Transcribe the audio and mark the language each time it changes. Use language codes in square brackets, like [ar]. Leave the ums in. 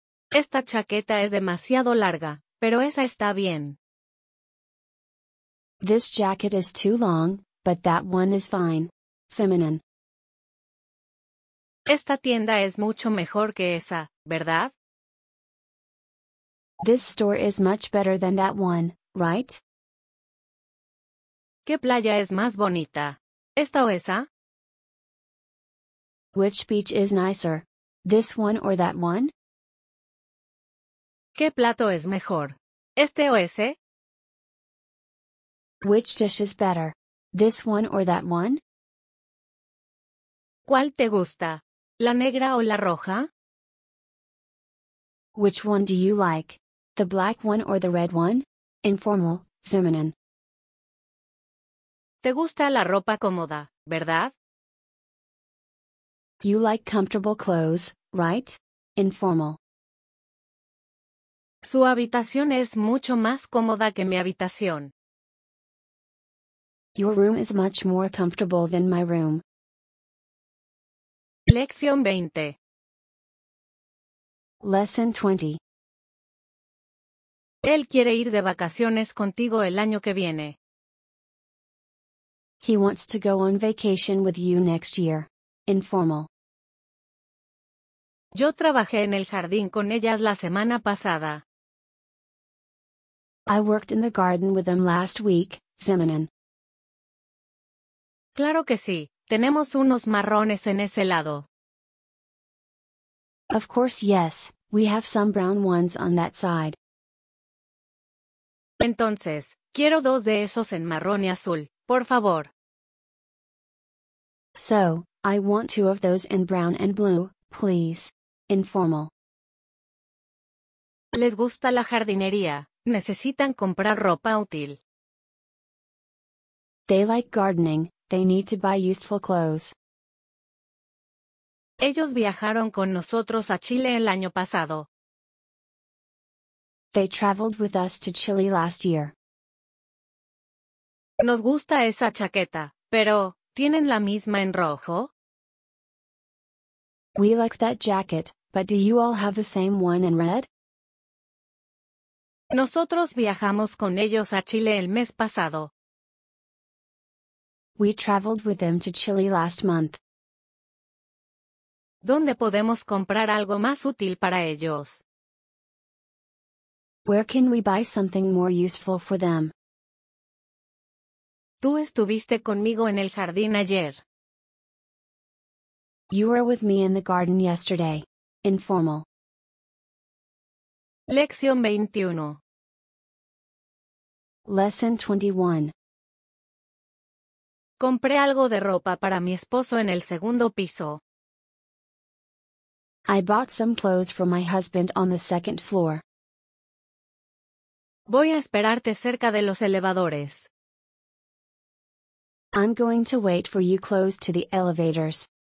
[es] Esta chaqueta es demasiado larga, pero esa está bien. [en] This jacket is too long, but that one is fine. Feminine. [es] Esta tienda es mucho mejor que esa, ¿verdad? [en] This store is much better than that one, right? [es] ¿Qué playa es más bonita? ¿Esta o esa? [en] Which beach is nicer? This one or that one? [es] ¿Qué plato es mejor? ¿Este o ese? [en] Which dish is better? This one or that one? [es] ¿Cuál te gusta? ¿La negra o la roja? [en] Which one do you like? The black one or the red one? Informal, feminine. [es] Te gusta la ropa cómoda, ¿verdad? [en] You like comfortable clothes, right? Informal. [es] Su habitación es mucho más cómoda que mi habitación. [en] Your room is much more comfortable than my room. [es] Lección 20. [en] Lesson 20. [es] Él quiere ir de vacaciones contigo el año que viene. [en] He wants to go on vacation with you next year. Informal. [es] Yo trabajé en el jardín con ellas la semana pasada. [en] I worked in the garden with them last week. Feminine. [es] Claro que sí. Tenemos unos marrones en ese lado. [en] Of course, yes. We have some brown ones on that side. [es] Entonces, quiero dos de esos en marrón y azul, so, [en] I want two of those in brown and blue, please. Informal. [es] Les gusta la jardinería. Necesitan comprar ropa útil. [en] They like gardening. They need to buy useful clothes. [es] Ellos viajaron con nosotros a Chile el año pasado. [en] They traveled with us to Chile last year. [es] Nos gusta esa chaqueta, pero ¿tienen la misma en rojo? [en] We like that jacket, but do you all have the same one in red? [es] Nosotros viajamos con ellos a Chile el mes pasado. [en] We traveled with them to Chile last month. [es] ¿Dónde podemos comprar algo más útil para ellos? [en] Where can we buy something more useful for them? [es] Tú estuviste conmigo en el jardín ayer. [en] You were with me in the garden yesterday. Informal. [es] Lección 21. [en] Lesson 21. [es] Compré algo de ropa para mi esposo en el segundo piso. [en] I bought some clothes for my husband on the second floor. [es] Voy a esperarte cerca de los elevadores. [en] I'm going to wait for you close to the elevators.